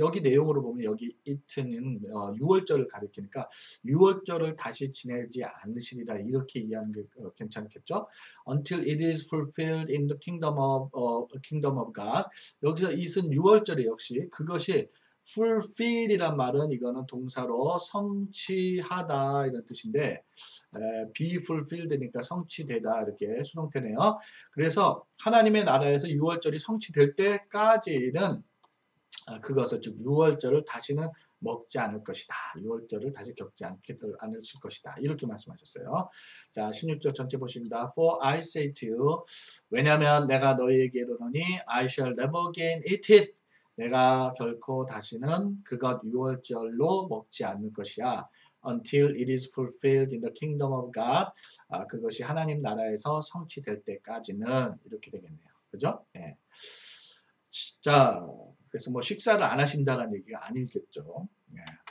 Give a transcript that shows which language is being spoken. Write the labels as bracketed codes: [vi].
[ko] 여기 내용으로 보면 여기 it는 유월절을 가리키니까 유월절을 다시 지내지 않으시리라 이렇게 이해하는 게 괜찮겠죠? [en] Until it is fulfilled in the kingdom of God. [ko] 여기서 it은 유월절이 역시 그것이 fulfill이란 말은 이거는 동사로 성취하다 이런 뜻인데 be fulfilled니까 성취되다 이렇게 수동태네요. 그래서 하나님의 나라에서 유월절이 성취될 때까지는 그것을 즉 유월절을 다시는 먹지 않을 것이다. 유월절을 다시 겪지 않으실 것이다. 이렇게 말씀하셨어요. 자, 16절 전체 보십니다. [en] For I say to you, [ko] 왜냐하면 내가 너희에게 이르노니 [en] I shall never again eat it. [ko] 내가 결코 다시는 그것 유월절로 먹지 않을 것이야. [en] Until it is fulfilled in the kingdom of God. [ko] 그것이 하나님 나라에서 성취될 때까지는 이렇게 되겠네요. 그죠? 예. 자, 그래서 뭐 식사를 안 하신다는 얘기가 아니겠죠. 예.